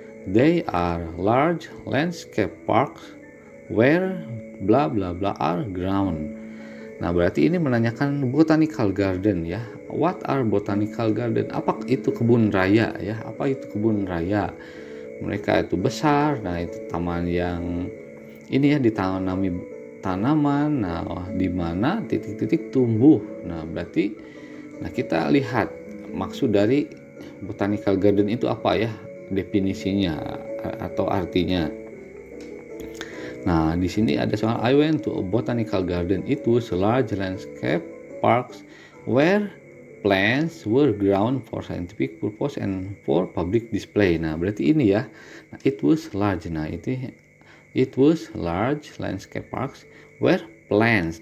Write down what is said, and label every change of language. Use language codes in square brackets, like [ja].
[en] They are large landscape parks where bla bla bla are ground. [id] Nah, berarti ini menanyakan botanical garden ya. [en] What are botanical garden? [id] Apa itu kebun raya ya? Apa itu kebun raya? Mereka itu besar. Nah, itu taman yang ini ya, ditanami tanaman. Nah, di mana titik-titik tumbuh. Nah, berarti nah kita lihat maksud dari botanical garden itu apa ya, definisinya atau artinya. Nah, di sini ada soal [en] I went to a botanical garden. It was a large landscape park where plants were grown for scientific purpose and for public display. [id] Nah, berarti ini ya. [en] Nah, it was large. Nah, it was large landscape park where plants.